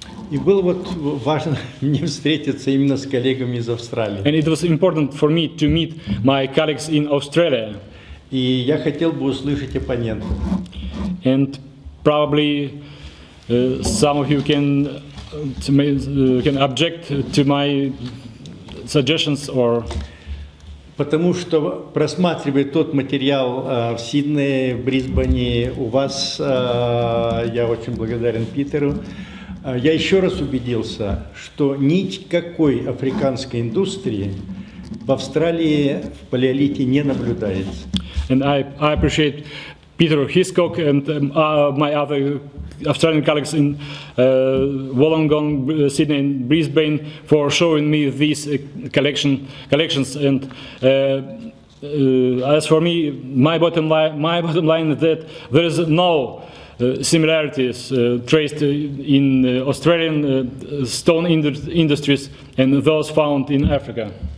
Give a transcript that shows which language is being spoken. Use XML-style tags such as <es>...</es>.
<ru>И было вот важно мне встретиться именно с коллегами из Австралии.</ru> <en>And it was important for me to meet my colleagues in Australia.</en> <ru>И я хотел бы услышать оппонента.</ru> <en>And probably some of you can object to my suggestions or.</en> <ru>Потому что просматривая тот материал в Сиднее, в Брисбене, у вас, я очень благодарен Питеру. Я еще раз убедился, что никакой африканской индустрии в Австралии в палеолите не наблюдается.</ru> <en>And I appreciate Peter Hiscock and my other Australian colleagues in Wollongong, Sydney, and Brisbane for showing me these collections. And as for me, my bottom line is that there is no similarities traced in Australian stone industries and those found in Africa.</en>